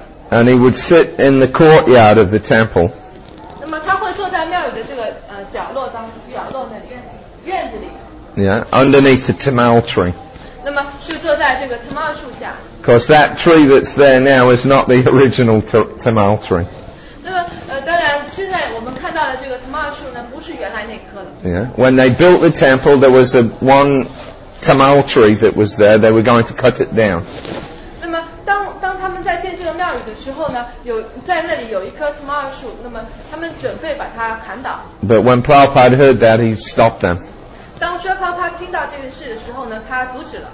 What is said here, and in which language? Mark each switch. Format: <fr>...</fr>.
<en>And he would sit in the courtyard of the temple.</en> <zh>那么他会坐在庙宇的这个角落当角落的院子里。</zh> <en>Yeah, underneath the tamal tree.</en> <zh>那么是坐在这个 tamal 树下。</zh> <en>Because that tree that's there now is not the original tamal tree.</en> <zh>那么当然现在我们看到的这个 tamal 树呢，不是原来那棵。</zh> <en>Yeah, when they built the temple, there was the one. Tamal tree that was there, they were going to cut it down.</en> <zh>那么当他们在建这个庙宇的时候呢，有在那里有一棵 tamal 树，那么他们准备把它砍倒。</zh> <en>But when Prabhupada heard that, he stopped them.</en> <zh>当说Prabhupada听到这个事的时候呢，他阻止了。</zh>